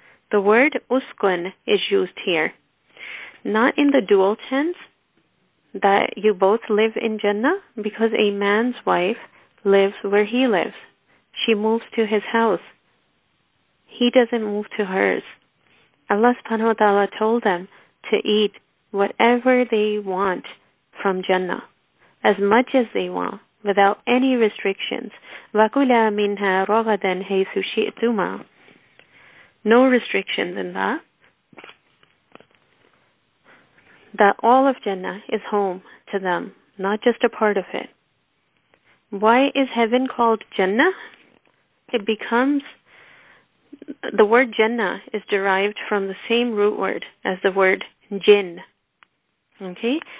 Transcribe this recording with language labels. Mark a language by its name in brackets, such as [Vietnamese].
[English] The word uskun is used here. Not in the dual tense, that you both live in Jannah, because a man's wife lives where he lives. She moves to his house. He doesn't move to hers. Allah subhanahu wa ta'ala told them to eat whatever they want from Jannah, as much as they want, without any restrictions. [Arabic] وَكُلَا مِنْهَا رَغَدًا حَيْسُ شِئْتُمَا [English] No restrictions in that. That all of Jannah is home to them, not just a part of it. Why is heaven called Jannah? It becomes, the word Jannah is derived from the same root word as the word jinn. Okay?